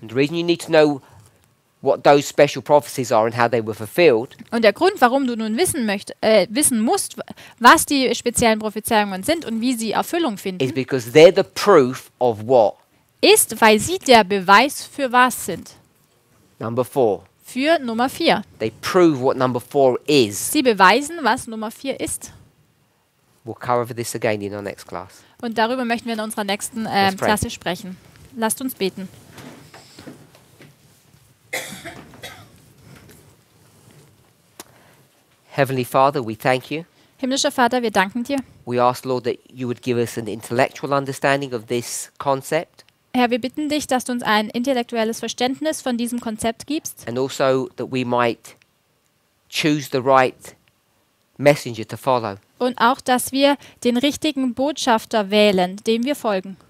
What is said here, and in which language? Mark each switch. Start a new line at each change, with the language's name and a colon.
English: And the reason you need to know what those special prophecies are and how they were fulfilled.
German: Und der Grund, warum du nun wissen musst, was die speziellen Prophezeiungen sind und wie sie Erfüllung finden,
English: is because they're the proof of what?
German: Ist, weil sie der Beweis für was sind.
English: Number four.
German: Für Nummer vier.
English: They prove what number four is.
German: Sie beweisen, was Nummer vier ist.
English: We'll cover this again in our next class.
German: Und darüber möchten wir in unserer nächsten Klasse sprechen. Lasst uns beten.
English: Heavenly Father, we thank you.
German: Himmlischer Vater, wir danken dir.
English: We ask Lord that you would give us an intellectual understanding of this concept.
German: Herr, wir bitten dich, dass du uns ein intellektuelles Verständnis von diesem Konzept gibst.
English: And also that we might choose the right messenger to follow.
German: Und auch, dass wir den richtigen Botschafter wählen, dem wir folgen.